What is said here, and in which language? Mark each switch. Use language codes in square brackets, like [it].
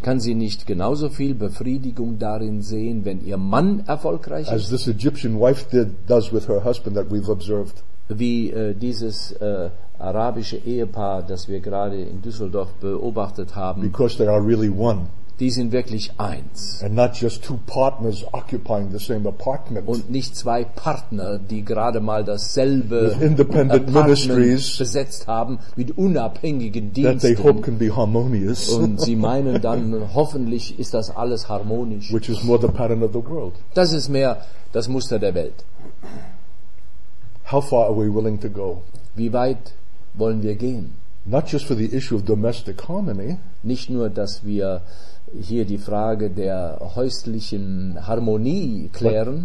[de] Kann sie nicht genauso viel Befriedigung darin sehen, wenn ihr Mann erfolgreich ist? [en] As this Egyptian wife does with her husband that we've observed. [de] Wie dieses arabische Ehepaar, das wir gerade in Düsseldorf beobachtet haben. [en] Because they are really one. [de] Die sind wirklich eins. [en] And not just two partners occupying the same apartment. [de] Und nicht zwei Partner, die gerade mal dasselbe [en] independent ministries [de] besetzt haben mit unabhängigen Diensten. [en] That they hope can be harmonious. [de] Und sie meinen dann, hoffentlich ist das alles harmonisch. [en] Which is more the pattern of the world. [de] Das ist mehr das Muster der Welt. [en] How far are we willing to go? [de] Wie weit wollen wir gehen? [en] Not just for the issue of domestic harmony. [de] Nicht nur, dass wir hier die Frage der häuslichen Harmonie klären,